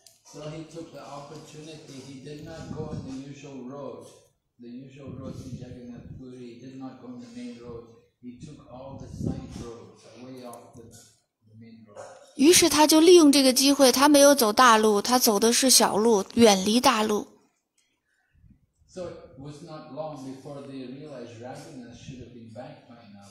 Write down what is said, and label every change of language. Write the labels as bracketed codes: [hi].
[en] So he took the opportunity. He did not go on the usual road. The usual road to Jagannath Puri, he did not go on the main road. He took all the side roads away off the main road. [zh] 于是他就利用这个机会，他没有走大路，他走的是小路，远离大路。 [en] So it was not long before they realized Raghunath should have been back by now.